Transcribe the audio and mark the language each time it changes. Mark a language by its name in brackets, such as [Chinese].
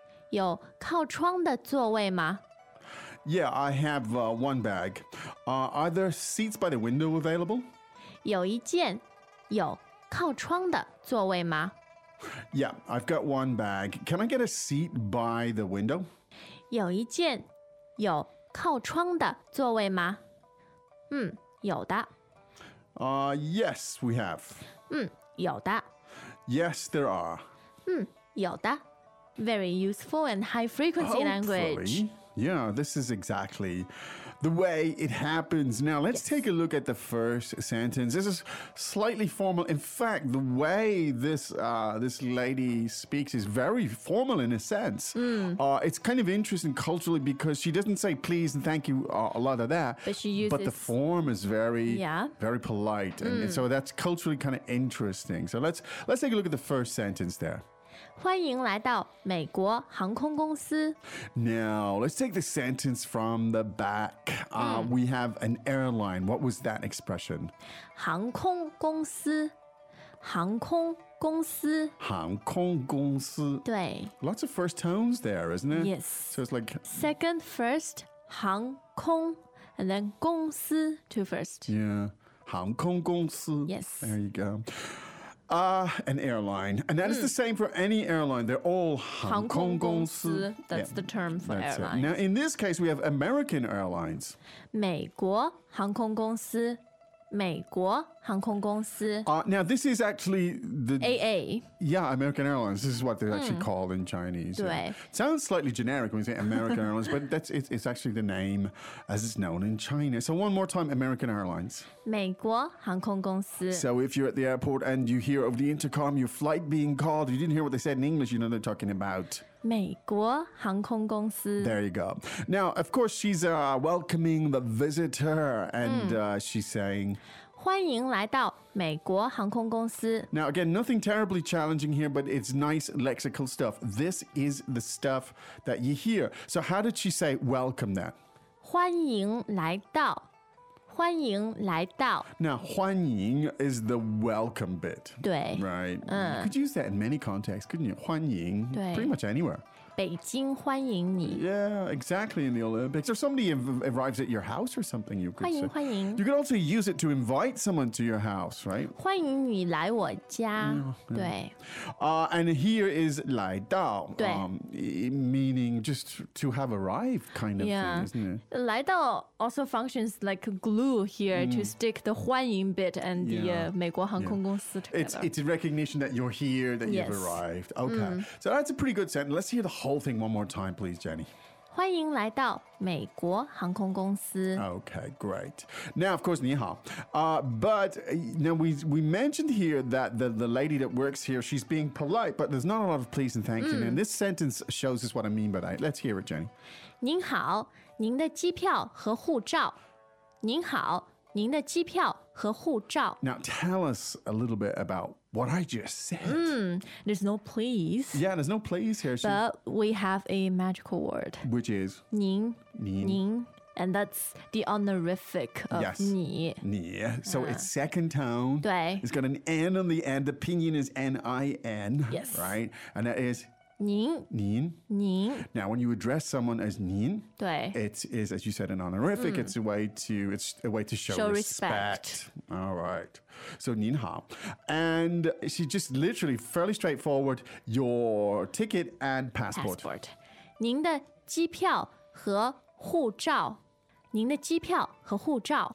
[Chinese] 有靠窗的座位吗？ [English] Yeah, I have one bag. Are there seats by the window available? [Chinese] 有一件。有靠窗的座位吗？ [English] Yeah, I've got one bag. Can I get a seat by the window? [Chinese] 有一件，有靠窗的座位吗？有的。 [English] Yes, we have. [Chinese] 有的。 [English] Yes, there are. [Chinese] 有的。 [English] Very useful and high-frequency language. Yeah, this is exactly the way it happens. Now, let's take a look at the first sentence. This is slightly formal. In fact, the way this lady speaks is very formal in a sense. It's kind of interesting culturally because she doesn't say please and thank you, a lot of that. But she uses... But the form is very, very polite. And so that's culturally kind of interesting. So let's take a look at the first sentence there. [Chinese] 欢迎来到美国航空公司。 [English] Now, let's take the sentence from the back. We have an airline. What was that expression? [Chinese] 航空公司。航空公司。航空公司。对。 [English] Lots of first tones there, isn't it? Yes. So it's like... Second, first, 航空 and then 公司 to first. Yeah, 航空公司 Yes. There you go. An airline. And that is the same for any airline. They're all 航空公司 That's the term for airlines. Now, in this case, we have American Airlines. [Chinese] 美国航空公司美国航空公司 [English] Now, this is actually the... AA. Yeah, American Airlines. This is what they're actually called in Chinese. [Chinese] 对、 [English] yeah. It sounds slightly generic when you say American Airlines, but it's actually the name as it's known in China. So one more time, American Airlines. [Chinese] 美国航空公司 [English] So if you're at the airport and you hear over the intercom your flight being called, you didn't hear what they said in English, you know they're talking about... [Chinese] 美国航空公司 [English] There you go. Now, of course, she's welcoming the visitor, and she's saying, [Chinese] 欢迎来到美国航空公司 [English] Now, again, nothing terribly challenging here, but it's nice lexical stuff. This is the stuff that you hear. So how did she say welcome that? [Chinese] 欢迎来到欢迎来到 [English] Now, 欢迎 is the welcome bit. [Chinese] 对 [English] Right. You could use that in many contexts, couldn't you? 欢迎 Pretty much anywhere. [Chinese] 北京欢迎你 [English] Yeah, exactly in the Olympics. Or somebody arrives at your house or something, you could [Chinese] 欢迎 [English] say. [Chinese] 欢迎 [English] You could also use it to invite someone to your house, right? [Chinese] 欢迎你来我家 对 [English] And here is 来到 [Chinese] 对 [English] Meaning just to have arrived kind of thing, isn't it? 来到also functions like glue here to stick the 欢迎 bit and the 美国航空公司 together. It's a recognition that you're here, that you've arrived. Okay. So that's a pretty good sentence. Let's hear the whole thing one more time, please, Jenny. [Chinese] 欢迎来到美国航空公司 [English] Okay, great. Now, of course, 你好 But now we mentioned here that the lady that works here, she's being polite, but there's not a lot of please and thank you. And this sentence shows us what I mean by that. Let's hear it, Jenny. [Chinese] 您好您的机票和护照您好您的机票和护照 [English] Now tell us a little bit about what I just said There's no please Yeah, there's no please here But we have a magical word Which is [Chinese] 您您 [English] And that's the honorific of yes, [Chinese] 你 [English] 你 So it's second tone [Chinese] 对 [English] It's got an N on the end The pinyin is N-I-N Yes Right And that is [Chinese] 您您您 [English] Now, when you address someone as 您 [Chinese] 对 [English] it is, as you said, an honorific. It's a way to show respect. All right. So, 您好 And she just literally, fairly straightforward, your ticket and passport. Passport. [Chinese] 您的机票和护照您的机票和护照